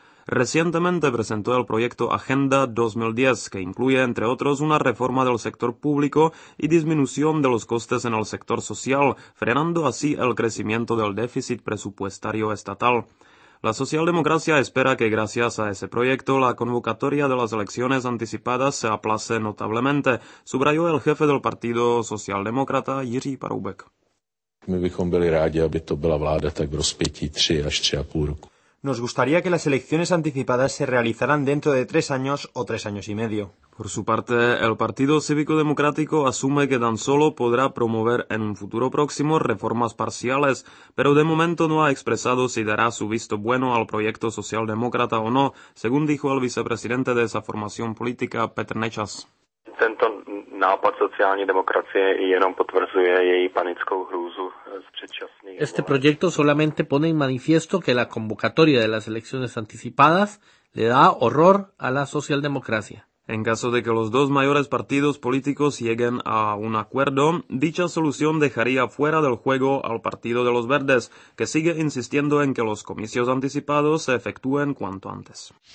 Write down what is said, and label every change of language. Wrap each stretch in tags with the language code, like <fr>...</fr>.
<es>Recientemente presentó el proyecto Agenda 2010, que incluye, entre otros, una reforma del sector público y disminución de los costes en el sector social, frenando así el crecimiento del déficit presupuestario estatal. La socialdemocracia espera que, gracias a ese proyecto, la convocatoria de las elecciones anticipadas se aplace notablemente, subrayó el jefe del Partido Socialdemócrata, Jiří Paroubek.</es> <cs>My bychom byli rádi, aby to byla vláda tak v rozpětí 3 až 3,5 roku.</cs> <es>Nos gustaría que las elecciones anticipadas se realizaran dentro de 3 años o 3 años y medio. Por su parte, el Partido Cívico Democrático asume que tan solo podrá promover en un futuro próximo reformas parciales, pero de momento no ha expresado si dará su visto bueno al proyecto socialdemócrata o no, según dijo el vicepresidente de esa formación política, Petr Nečas.</es> <cs>Tento nápad sociální demokracie jenom potvrzuje její panickou hrůzu.</cs> <es>Este proyecto solamente pone en manifiesto que la convocatoria de las elecciones anticipadas le da horror a la socialdemocracia. En caso de que los dos mayores partidos políticos lleguen a un acuerdo, dicha solución dejaría fuera del juego al Partido de los Verdes, que sigue insistiendo en que los comicios anticipados se efectúen cuanto antes.</es>